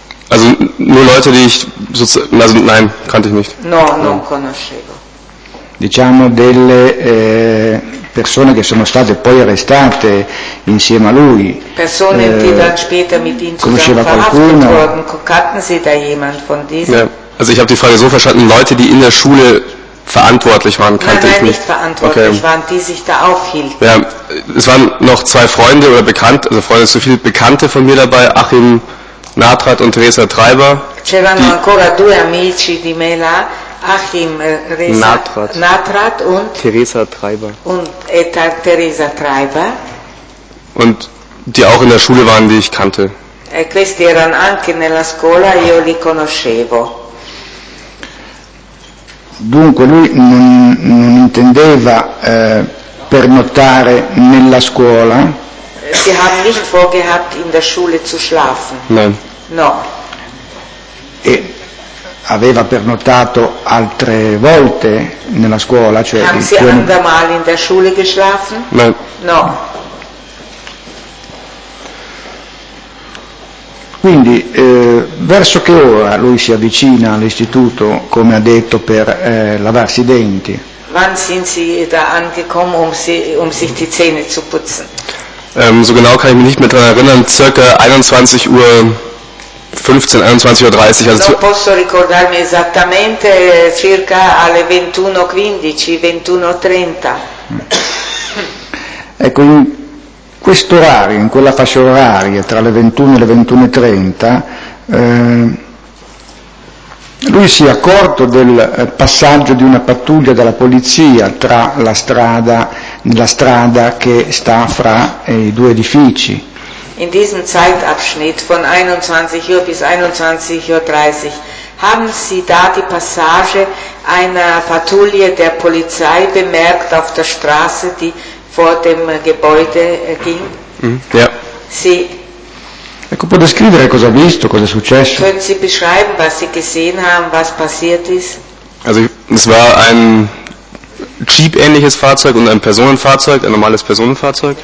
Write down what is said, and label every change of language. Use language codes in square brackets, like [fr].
[de] Also nur Leute, die ich sozusagen, also nein, kannte ich nicht. [it] No, non conoscevo. Diciamo delle persone che sono state poi arrestate insieme a lui. [de] Persone, die dann später mit ihm zusammen verhaftet wurden, kannten Sie da jemand von diesen? Ja. Also ich habe die Frage so verstanden, Leute, die in der Schule verantwortlich waren, kannte ich nicht. Nein, nicht verantwortlich waren, die sich da aufhielten. Ja, es waren noch zwei Freunde oder Bekannte, also Freunde, so viele Bekannte von mir dabei, Achim Natrat und Teresa Treiber. C'erano ancora due amici di me là, Achim Natrat und Teresa Treiber. Und Eta Teresa Treiber. Und die auch in der Schule waren, die ich kannte. [it] E questi erano anche nella scuola, io li conoscevo. Dunque lui non intendeva pernottare nella scuola. [de] Sie haben nicht vorgehabt in der Schule zu schlafen. Nein. [it] No. E aveva pernottato altre volte nella scuola, cioè. [de] Haben Sie andermal in der Schule geschlafen? Nein. [it] No. Quindi, verso che ora lui si avvicina all'istituto, come ha detto, per lavarsi i denti? [de] Wann sind Sie da angekommen, um sich die Zähne zu putzen? So genau kann ich mich nicht mehr daran erinnern, circa 21.15 Uhr, 21.30 Uhr. [it] Non posso ricordarmi esattamente, circa alle 21.15, 21.30. Ecco, in questo orario, in quella fascia oraria tra le 21 e le 21.30, lui si è accorto del passaggio di una pattuglia della polizia tra la strada, nella strada che sta fra i due edifici. [de] In diesem Zeitabschnitt von 21 Uhr bis 21.30 Uhr haben Sie da die Passage einer Patrouille der Polizei bemerkt auf der Straße, die vor dem Gebäude ging? Ja. Sie. [it] Ecco, può descrivere cosa ha visto, cosa è successo? [de] Können Sie beschreiben, was Sie gesehen haben, was passiert ist? Also, es war ein Jeep-ähnliches Fahrzeug und ein Personenfahrzeug, ein normales Personenfahrzeug.